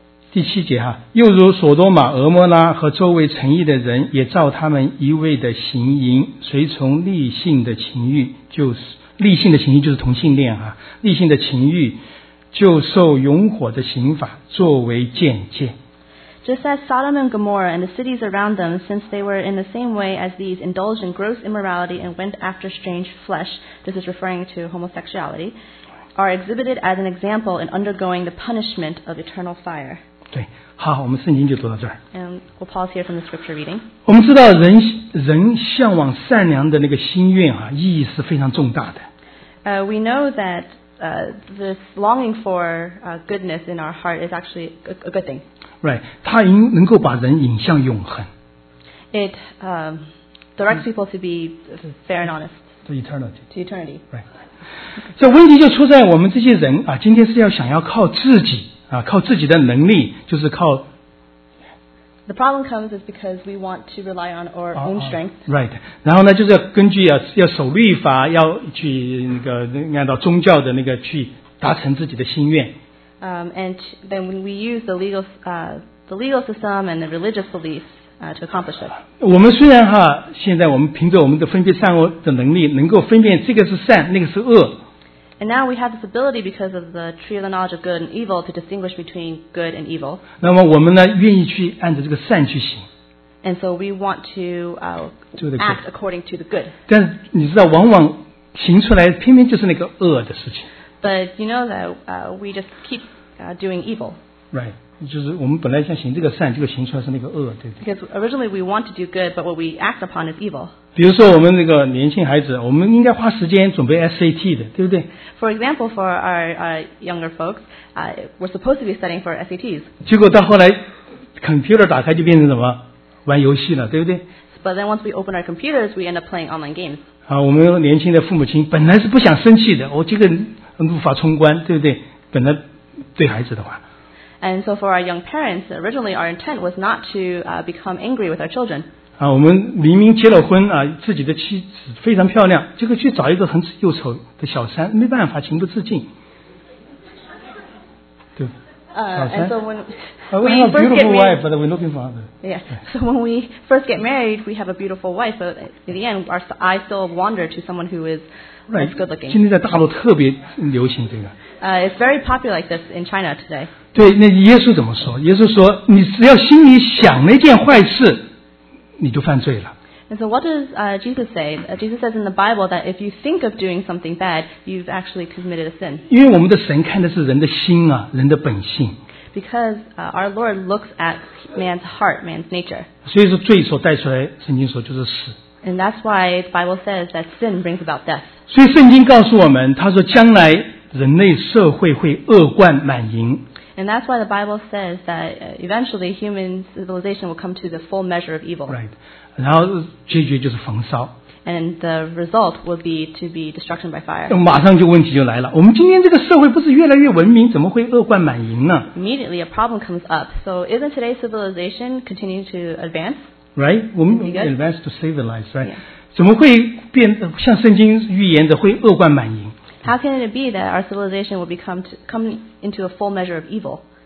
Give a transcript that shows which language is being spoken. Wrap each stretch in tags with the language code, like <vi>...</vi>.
<zh>第七节哈，又如所多玛、俄摩拉和周围诚意的人，也照他们一味的行淫，随从立性的情欲，就是立性的情欲就是同性恋哈、啊，立性的情欲就受永火的刑罚作为鉴戒。</zh> <en>Just as Sodom and Gomorrah and the cities around them, since they were in the same way as these, indulged in gross immorality and went after strange flesh. This is referring to homosexuality. Are exhibited as an example in undergoing the punishment of eternal fire.</en> <zh>对，好，我们圣经就读到这儿。</zh> <en>And we'll pause here from the scripture reading.</en> <zh>我们知道人向往善良的那个心愿啊，意义是非常重大的。</zh> <en>We know that this longing for goodness in our heart is actually a good thing. Right,</en> <zh>它能够把人引向永恒。</zh> <en>It directs people to be fair and honest. To eternity. To eternity. Right.</en> <zh>这问题就出在我们这些人啊，今天是要想要靠自己啊，靠自己的能力，就是靠。</zh> <en>The problem comes is because we want to rely on our own strength. Right.</en> <zh>然后呢，就是要根据要守律法，要去那个按照宗教的那个去达成自己的心愿。</zh> <en>And then when we use the legal system and the religious beliefs. To accomplish it.</en> <zh>我们虽然哈，现在我们凭着我们的分辨善恶的能力，能够分辨这个是善，那个是恶。</zh> <en>And now we have this ability because of the tree of the knowledge of good and evil to distinguish between good and evil.</en> <zh>那么我们呢，愿意去按照这个善去行。</zh> <en>And so we want to act according to the good.</en> <zh>但你知道，往往行出来偏偏就是那个恶的事情。</zh> <en>But you know that we just keep doing evil. Right.</en> <zh>就是我们本来想行这个善，结果行出来是那个恶，对不对</zh> <en>？Because originally we want to do good, but what we act upon is evil.</en> <zh>比如说我们那个年轻孩子，我们应该花时间准备 SAT 的，对不对</zh> <en>？For example, for our younger folks, we're supposed to be studying for SATs.</en> <zh>结果到后来 ，computer 打开就变成什么？玩游戏了，对不对</zh> <en>？But then once we open our computers, we end up playing online games.</en> <zh>啊，我们年轻的父母亲本来是不想生气的，我这个无法冲关，对不对？本来对孩子的话。</zh> <en>And so for our young parents, originally our intent was not to become angry with our children.</en> <zh>啊，我们明明结了婚啊，自己的妻子非常漂亮，结果去找一个很又丑的小三，没办法，情不自禁。对。</zh> <en>And so when we first get married, but we're looking for other. Yeah. So when we first get married, we have a beautiful wife, but in the end, our eyes still wander to someone who is right, good looking.</en> <zh>今天在大陆特别流行这个。</zh> <en>It's very popular like this in China today.</en> <zh>对，那耶稣怎么说？耶稣说，你只要心里想那件坏事，你就犯罪了。</zh> <en>And so what does Jesus say? Jesus says in the Bible that if you think of doing something bad, you've actually committed a sin.</en> <zh>因为我们的神看的是人的心啊，人的本性。</zh> <en>because our Lord looks at man's heart, man's nature.</en> <zh>所以说罪所带出来，圣经说就是死。</zh> <en>And that's why the Bible says that sin brings about death.</en> <zh>所以圣经告诉我们，他说将来人类社会会恶贯满盈。</zh> <en>And that's why the Bible says that eventually human civilization will come to the full measure of evil. Right.</en> <zh>然后结局就是焚烧。</zh> <en>And the result would be to be destruction by fire.</en> <zh>马上就问题就来了，我们今天这个社会不是越来越文明，怎么会恶贯满盈呢？</zh> <en>Immediately a problem comes up. So isn't today's civilization continuing to advance? Right, we advance to civilize, right? Yeah.</en> <zh>怎么会变像圣经预言的会恶贯满盈？</zh> <en>How can it be that our civilization will become come into a full measure of evil?</en>